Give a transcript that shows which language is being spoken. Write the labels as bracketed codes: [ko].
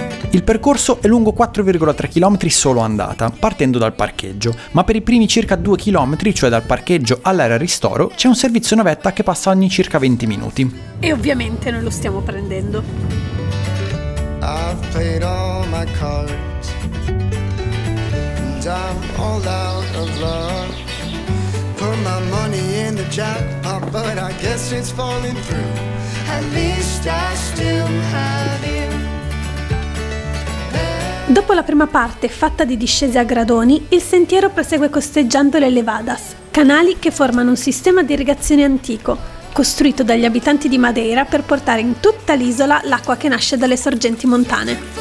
[it] Il percorso è lungo 4,3 km solo andata, partendo dal parcheggio, ma per i primi circa 2 km, cioè dal parcheggio all'area ristoro, c'è un servizio navetta che passa ogni circa 20 minuti. E ovviamente noi lo stiamo prendendo. [en] I've played all my cards and I'm all out of love. Put my money in the jackpot, but I guess it's falling through. At least I still have you. [it] Dopo la prima parte, fatta di discese a gradoni, il sentiero prosegue costeggiando le levadas, canali che formano un sistema di irrigazione antico, costruito dagli abitanti di Madeira per portare in tutta l'isola l'acqua che nasce dalle sorgenti montane.